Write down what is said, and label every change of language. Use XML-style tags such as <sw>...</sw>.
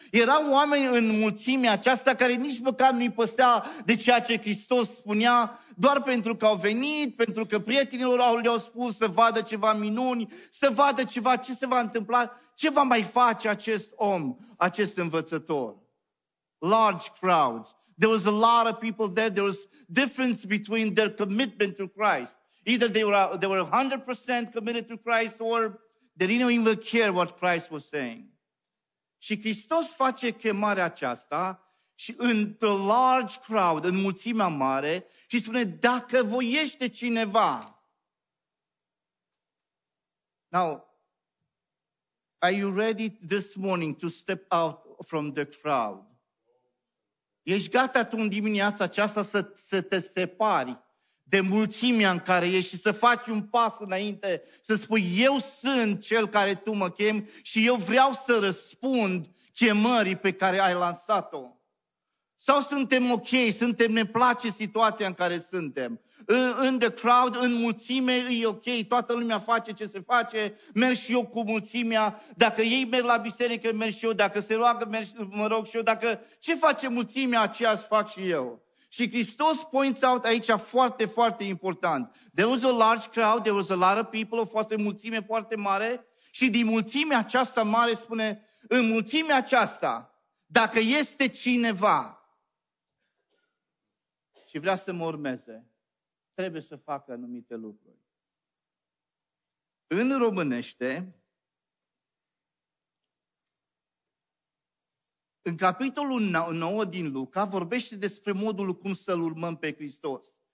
<ro>Erau oameni în mulțimea aceasta care nici măcar nu-i păstea de ceea ce Hristos spunea, doar pentru că au venit, pentru că prietenilor le-au spus să vadă ceva minuni, să vadă ceva ce se va întâmpla, ce va mai face acest om, acest învățător.</ro> <en>Large crowds. There was a lot of people there. There was difference between their commitment to Christ. Either they were 100% committed to Christ or they didn't even care what Christ was saying.</en> <ro>Și Hristos face chemarea aceasta și într-o</ro> <en>large crowd,</en> <ro>în mulțimea mare, și spune, dacă voiește cineva.</ro> <en>Now, are you ready this morning to step out from the crowd?</en> <ro>Ești gata tu în dimineața aceasta să te separi de mulțimea în care ești și să faci un pas înainte, să spui, eu sunt cel care tu mă chem și eu vreau să răspund chemării pe care ai lansat-o? Sau suntem ok, suntem, ne place situația în care suntem? În</ro> <en>the crowd,</en> <ro>în mulțime, e ok, toată lumea face ce se face, merg și eu cu mulțimea, dacă ei merg la biserică, merg și eu, dacă se roagă, mă rog și eu, dacă ce face mulțimea, aceea îți fac și eu. Și Hristos</ro> <en>points out</en> <ro>aici foarte, foarte important.</ro> <en>There was a large crowd, there was a lot of people,</en> <ro>o foarte mulțime foarte mare. Și din mulțimea aceasta mare spune, în mulțimea aceasta, dacă este cineva și vrea să mă urmeze, trebuie să facă anumite lucruri. În românește, în capitolul 9 din Luca vorbește despre modul cum să-L urmăm pe Hristos.</ro>